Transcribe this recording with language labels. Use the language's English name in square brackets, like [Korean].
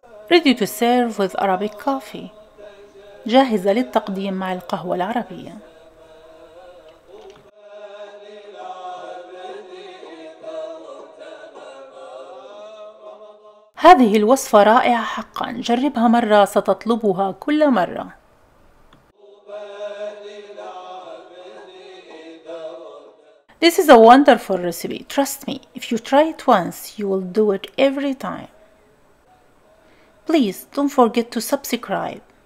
[English] Ready to serve with Arabic coffee. [Arabic] جاهزة للتقديم مع القهوة العربية. هذه الوصفة رائعة حقا، جربها مرة ستطلبها كل مرة. [English] This is a wonderful recipe. Trust me, if you try it once, you will do it every time. Please don't forget to subscribe.